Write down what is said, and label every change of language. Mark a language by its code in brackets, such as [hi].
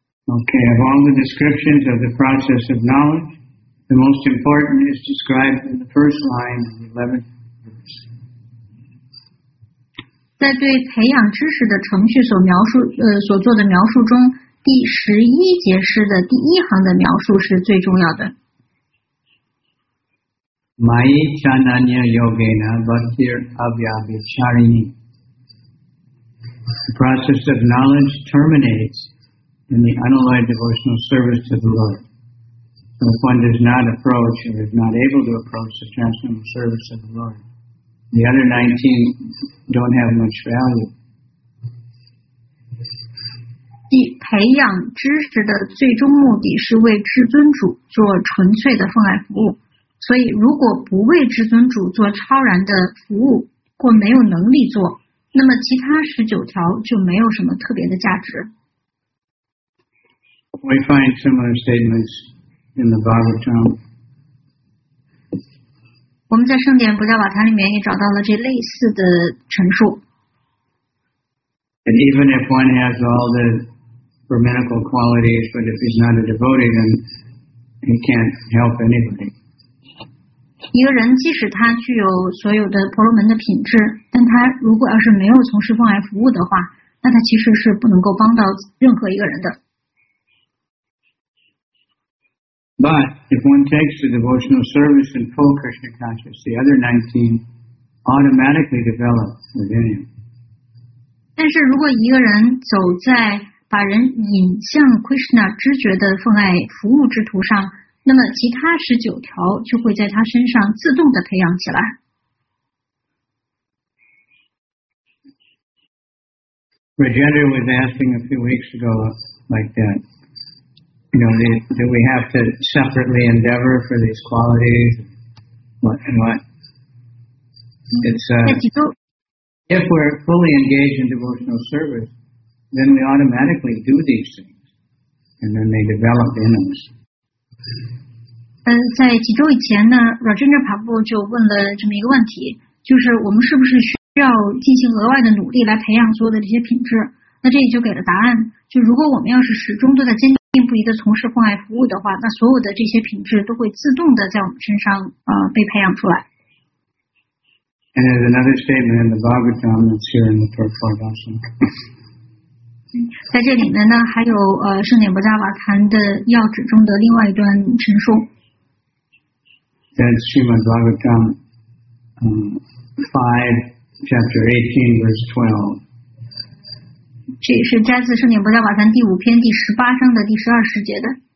[en] Okay, of all the descriptions of the process of knowledge, the most important is described in the first line of the 11th verse. [zh] 在对培养知识的程序所描述所做的描述中，第十一节诗的第一行的描述是最重要的。 [sa] Mayi chananya yogena bhaktir avyabhicharini. [en] The process of knowledge terminates in the unalloyed devotional service to the Lord. So if one does not approach or is not able to approach the transcendental service of the Lord, the other 19 don't have much value. [zh] 第培养知识的最终目的是为至尊主做纯粹的奉爱服务。所以如果不为至尊主做超然的服务或没有能力做，那么其他19条就没有什么特别的价值。 [en] We find similar statements in the Bhagavatam. [zh] 我们在圣典不加瓦坛里面也找到了这类似的陈述。 [en] And even if one has all the brahminical qualities, but if he's not a devotee, then he can't help anybody. [zh] 一个人即使他具有所有的婆罗门的品质，但他如果要是没有从事奉爱服务的话，那他其实是不能够帮到任何一个人的。 [en] But if one takes the devotional service in full Krishna consciousness, the other 19 automatically develop within him. [zh] 但是如果一个人走在把人引向 Krishna 知觉的奉爱服务之途上，那么其他19条就会在他身上自动的培养起来。 [en] Rajendra was asking a few weeks ago like that. You know, do we have to separately endeavor for these qualities? What? If we're fully engaged in devotional service, then we automatically do these things, and then they develop in us. [zh] 在几周以前呢 ，Rajendra Prabhu 就问了这么一个问题，就是我们是不是需要进行额外的努力来培养所有的这些品质？那这里就给了答案，就如果我们要是始终都在坚定并不一个从事奉爱服务的话，那所有的这些品质都会自动的在我们身上被培养出来。 [en] And there's another statement in the Bhagavatam that's here in the purport also. [zh] 在这里面呢，还有圣典不加瓦坛的要旨中的另外一段陈述。 [en] said Srimad Bhagavatam 5, chapter 18, verse 12. [zh] 这是摘自圣典博伽瓦坛第五篇第十八章的第十二十节的。